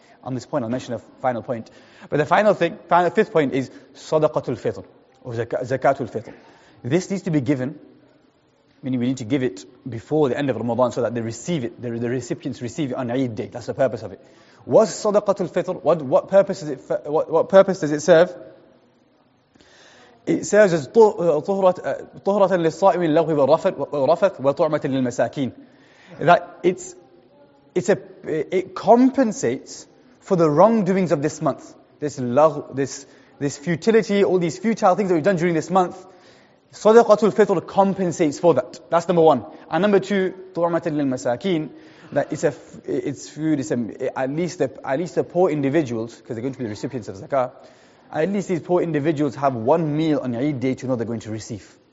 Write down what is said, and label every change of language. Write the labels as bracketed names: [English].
[English] On this point, I'll mention a final point. But the final thing, fifth point is sadaqatul fitr, or zakatul fitr. This needs to be given, meaning we need to give it before the end of Ramadan so that they receive it, the recipients receive it on Eid day. That's the purpose of it. What's sadaqatul fitr? What purpose does it serve? It serves as [Arabic] طُهْرَةً لِلصَّائِمِ اللَّغْوِ وَالرَّفَثُ وَطُعْمَةً لِلْمَسَاكِينَ. [English] That it compensates for the wrongdoings of this month. This futility, all these futile things that we've done during this month, صَدَقَةُ الْفِطْرِ compensates for that. That's number one. And number two, [Arabic] طُعْمَةً لِلْمَسَاكِينَ. [English] That it's food, at least the poor individuals, because they're going to be the recipients of zakah, at least these poor individuals have one meal on Eid day to know they're going to receive.